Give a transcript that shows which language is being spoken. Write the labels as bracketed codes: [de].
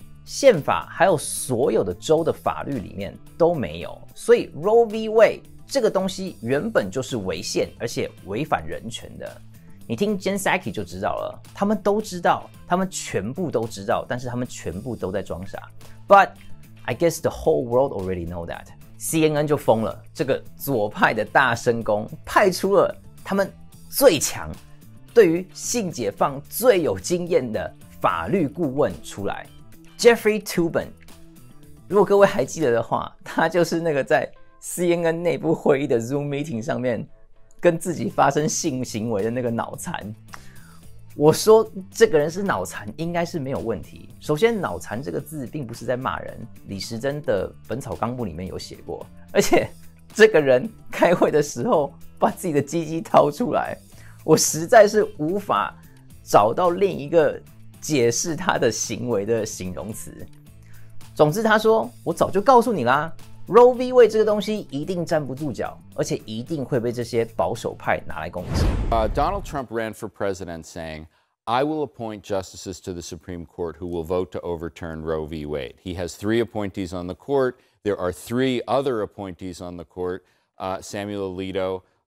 [zh] 宪法还有所有的州的法律里面都没有，所以 Roe v. Wade 这个东西原本就是违宪，而且违反人权的。你听 Jen Psaki 就知道了，他们都知道，他们全部都知道，但是他们全部都在装傻。 [en] But I guess the whole world already know that. [zh] CNN 就疯了，这个左派的大声公派出了他们最强、对于性解放最有经验的法律顾问出来 ，Jeffrey Toobin。如果各位还记得的话，他就是那个在 CNN 内部会议的 Zoom meeting 上面跟自己发生性行为的那个脑残。我说这个人是脑残应该是没有问题。首先脑残这个字并不是在骂人，李时珍的本草纲目里面有写过。而且这个人开会的时候把自己的鸡鸡掏出来，我实在是无法找到另一个解释他的行为的形容词。总之他说，我早就告诉你啦， Roe v. Wade 这个东西一定站不住脚，而且一定会被这些保守派拿来攻击。 [en] Donald Trump ran for president saying, I will appoint justices to the Supreme Court who will vote to overturn Roe v. Wade. He has three appointees on the court. There are three other appointees on the court, Samuel Alito,